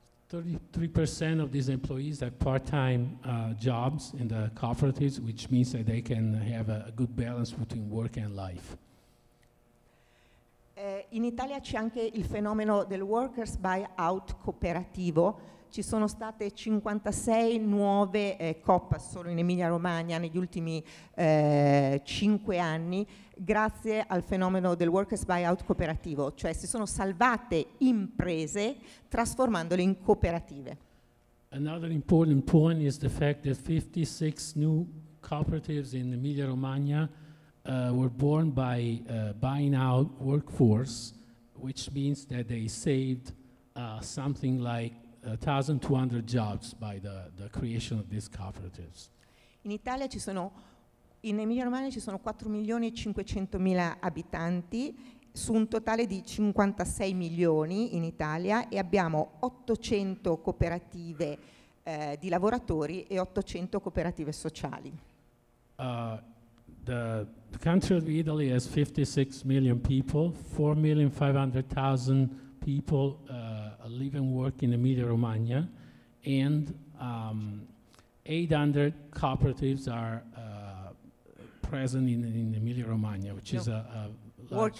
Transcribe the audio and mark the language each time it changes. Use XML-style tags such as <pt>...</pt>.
<en>33% of these employees have part-time jobs in the cooperatives, which means that they can have a good balance between work and life.</en> <it>In Italia c'è anche il fenomeno del workers buyout cooperativo. Ci sono state 56 nuove COP solo in Emilia-Romagna negli ultimi 5 anni grazie al fenomeno del workers buyout cooperativo, cioè si sono salvate imprese trasformandole in cooperative.</it> <en>Another important point is the fact that 56 new cooperatives in Emilia-Romagna were born by buying out workforce, which means that they saved something like 1,200 jobs by the creation of these cooperatives.</en> <it>In Italia ci sono, in Emilia-Romagna ci sono 4.500.000 abitanti su un totale di 56 milioni in Italia e abbiamo 800 cooperative di lavoratori e 800 cooperative sociali.</it> <en>The country of Italy has 56 million people, 4,500,000 people live and work in Emilia-Romagna, and 800 cooperatives are present in Emilia-Romagna, which is a large</en>